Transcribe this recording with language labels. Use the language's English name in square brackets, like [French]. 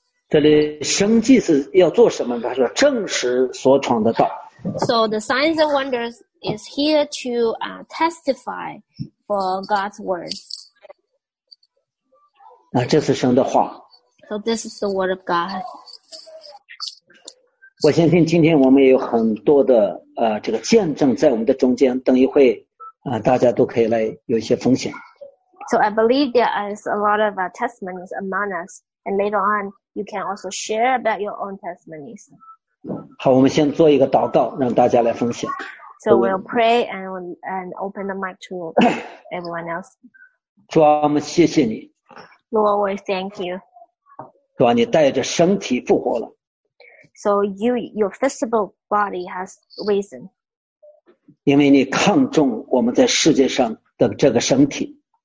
[Chinese] 这里神迹是要做什么？他说证实所传的道。 [English] So the signs and wonders is here to testify for God's word. [Chinese] 那这是神的话。 [English] So this is the word of God. [Chinese] 我相信今天我们有很多的这个见证在我们的中间，等一会。大家都可以来有一些分享。 [English] So I believe there is a lot of testimonies among us, and later on you can also share about your own testimonies. [Chinese] 好，我们先做一个祷告，让大家来分享。 [English] So we'll pray and open the mic to everyone else. [Chinese] 主啊，我们谢谢你。 [English] Lord, we thank you. [Chinese] 主啊，你带着身体复活了。 [English] So your physical body has risen. [Chinese] 因为你看重我们在世界上的这个身体。